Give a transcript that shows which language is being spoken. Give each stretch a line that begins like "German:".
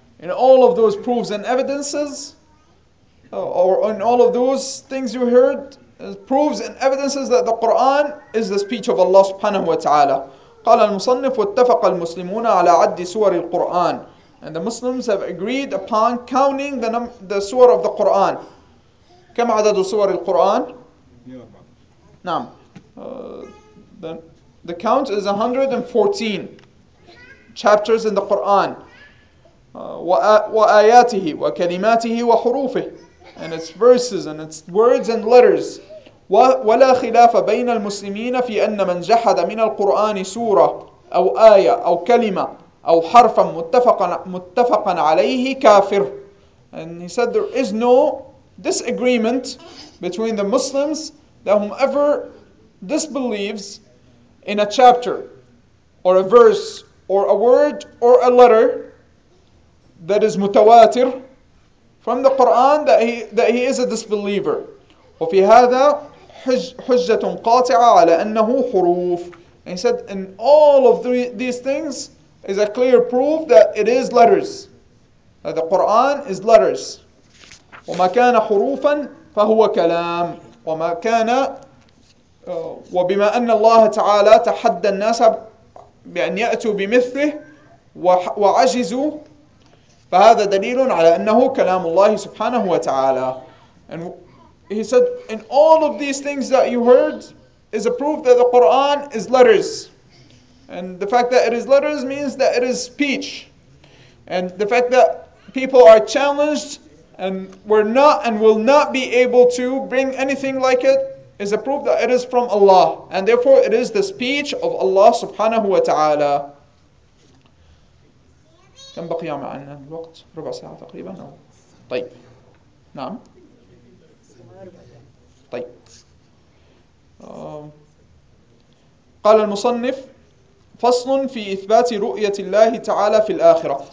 English: In all of those proofs and evidences, or in all of those things you heard, proofs and evidences that the Quran is the speech of Allah
Arabic: سبحانه وتعالى. قال المصنف واتفق المسلمون على عد سور القرآن.
English: And the Muslims have agreed upon counting the سور of the Quran.
Arabic: كم عدد سور القرآن؟ نعم.
English: The count is 114 chapters in the Quran.
Arabic: وآياته وكلماته وحروفه.
English: And its verses and its words and letters.
Arabic: ولا خلاف بين المسلمين في أن من جحد من القرآن سورة أو آية أو كلمة أو حرفا متفقا عليه كافر.
English: And he said there is no disagreement between the Muslims that whomever disbelieves in a chapter or a verse or a word or a letter that is mutawatir from the Quran that he is a disbeliever.
Arabic: وفي هذا حجة قاطعة على أنه حروف.
English: And he said in all of these things is a clear proof that it is letters, that the Quran is letters.
Arabic: وما كان حروفا ف فهو كلام. وما كان وبما أن الله تعالى تحدى الناس بأن يأتوا بمثله وعجزوا فهذا دليل على أنه كلام الله سبحانه وتعالى.
English: And he said, in all of these things that you heard is a proof that the Quran is letters. And the fact that it is letters means that it is speech. And the fact that people are challenged and were not and will not be able to bring anything like it is a proof that it is from Allah. And therefore it is the speech of Allah subhanahu wa ta'ala.
Arabic: كم بقي معنا الوقت؟ ربع ساعة تقريبا. طيب نعم طيب. قال المصنف: فصل في إثبات رؤية الله تعالى في الآخرة.